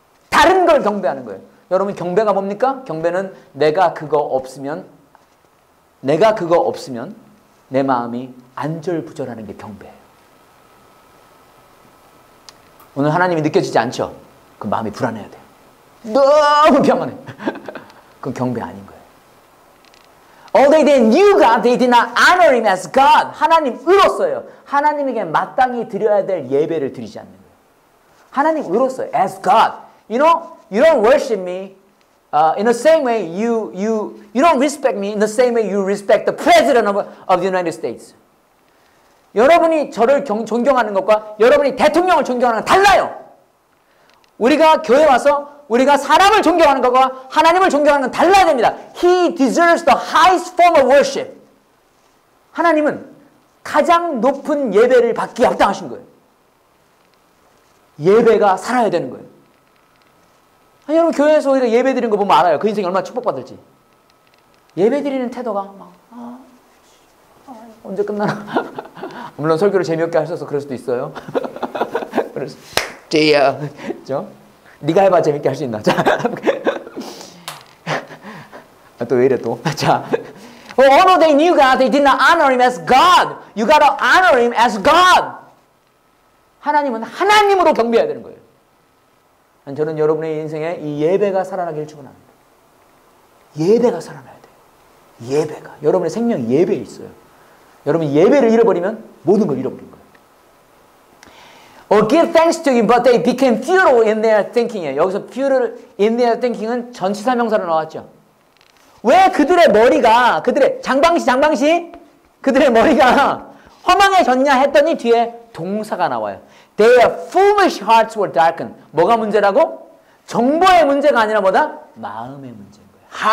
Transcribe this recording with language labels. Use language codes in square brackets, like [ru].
[ko] 다른 걸 경배하는 거예요. 여러분, 경배가 뭡니까? 경배는 내가 그거 없으면 내 마음이 안절부절하는 게 경배예요. 오늘 하나님이 느껴지지 않죠? 그 마음이 불안해야 돼요. 너무 평안해. 그건 경배 아닌 거예요. [en] Although they knew God, they did not honor him as God. [ko] 하나님으로서요. 하나님에게 마땅히 드려야 될 예배를 드리지 않는 거예요. 하나님으로서 [en] as God. You know, you don't worship me in the same way you don't respect me in the same way you respect the president of the United States. [ko] 여러분이 저를 존경하는 것과 여러분이 대통령을 존경하는 것과 달라요. 우리가 교회 와서 우리가 사람을 존경하는 것과 하나님을 존경하는 건 달라야 됩니다. [en] He deserves the highest form of worship. [ko] 하나님은 가장 높은 예배를 받기에 합당하신 거예요. 예배가 살아야 되는 거예요. 아니, 여러분 교회에서 우리가 예배 드리는 거 보면 알아요. 그 인생이 얼마나 축복받을지. 예배 드리는 태도가 막 언제 끝나나. 물론 설교를 재미없게 하셔서 그럴 수도 있어요. 그래서 제야. 그렇죠? 네가 해봐, 재밌게 할 수 있나? 자, 또 왜 이래 또? 자, [en] although they knew God, they did not honor him as God. You gotta honor him as God. [ko] 하나님은 하나님으로 경배해야 되는 거예요. 저는 여러분의 인생에 이 예배가 살아나길 축원합니다. 예배가 살아나야 돼요. 예배가. 여러분의 생명이 예배에 있어요. 여러분 예배를 잃어버리면 모든 걸 잃어버린 거예요. [en] Or give thanks to him, but they became futile in their thinking. [ko] 여기서 [en] futile in their thinking [ko] 은 전치사 명사로 나왔죠. 왜 그들의 머리가, 그들의 장방시, 그들의 머리가 허망해졌냐 했더니 뒤에 동사가 나와요. [en] Their foolish hearts were darkened. [ko] 뭐가 문제라고? 정보의 문제가 아니라 뭐다? 마음의 문제인 거예요.